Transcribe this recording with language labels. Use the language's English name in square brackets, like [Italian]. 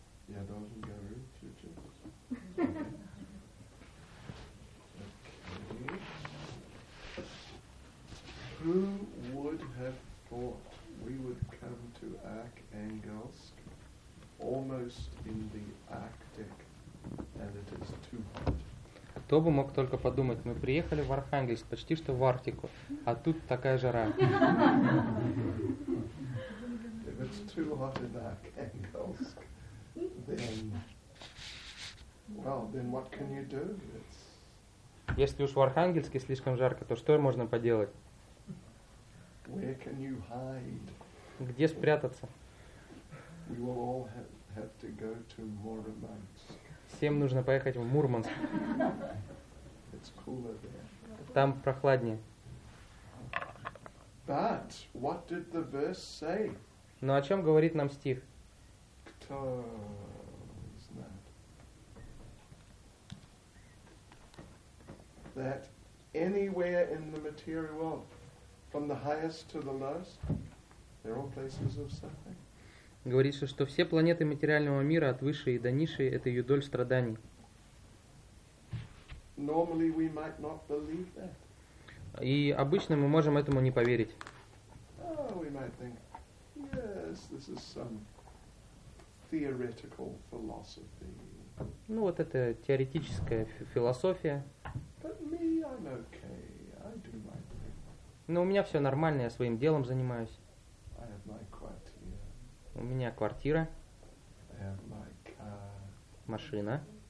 [English] Yeah, don't you get rid of your chips. Okay. Who would have thought we would come to Arkhangelsk almost in the Arctic and it is too hot? [Russian] Кто бы мог только подумать, мы приехали в Архангельск почти что в Арктику, а тут такая жара. [English] If it's too hot in Arkhangelsk, then well, then what can you do? It's... [Russian] Если уж в Архангельске слишком жарко, то что можно поделать? [English] Where can you hide? [Russian] Где спрятаться? [English] We will all have to go to Murmansk. [Russian] Всем нужно поехать в Мурманск. [English] It's cooler there. [Russian] Там прохладнее. [English] But what did the verse say? [Russian] Но о чем говорит нам стих? Кто знает? [English] That anywhere in the material world, from the highest to the lowest, they're all places of suffering. [Russian] Говорится, что все планеты материального мира, от высшей до низшей, это юдоль страданий. [English] Normally we might not believe that. [Russian] И обычно мы можем этому не поверить. [English] Oh, we might think, yes, this is some theoretical philosophy. [Russian] Ну вот это теоретическая философия. [English] But me, I'm okay. I do my thing. [Russian] Но у меня все нормально, я своим делом занимаюсь. [English] I have my quartier. [Russian] У меня квартира. [English] I have my car. [Russian] Машина.